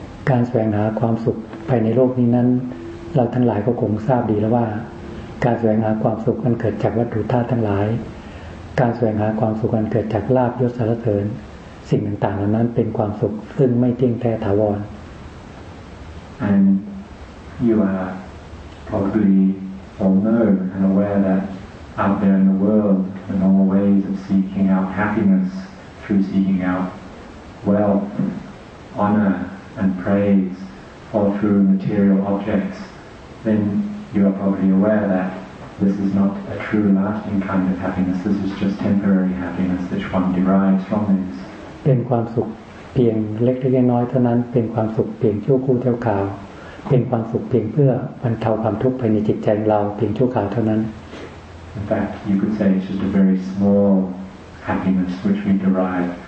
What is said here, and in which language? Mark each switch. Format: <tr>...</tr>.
<th>การแสวงหาความสุขภายในโลกนี้นั้นเราทั้งหลายก็คงทราบดีแล้วว่าการแสวงหาความสุขอันเกิดจากวัตถุธาตุทั้งหลายการแสวงหาความสุขอันเกิดจากลาภยศสรรเสริญสิ่งต่างๆเหล่านั้นเป็นความสุขซึ่งไม่เที่ยงแท้ถาวร</th> <en>And you are probably all known and aware that out there in the world the normal ways of seeking out happiness through seeking outWealth, honor, and praise fall through material objects. Then you are probably aware that this is not a true, lasting kind of happiness. This is just temporary happiness that one derives from this.</en> <th>เป็นความสุขเพียงเล็กๆน้อยๆเท่านั้นเป็นความสุขเพียงชั่วครู่ชั่วคราวเป็นความสุขเพียงเพื่อบรรเทาความทุกข์ภายในจิตใจเราเพียงชั่วคราวเท่านั้น</th> <en>In fact, you could say it's just a very small happiness which we derive.</en>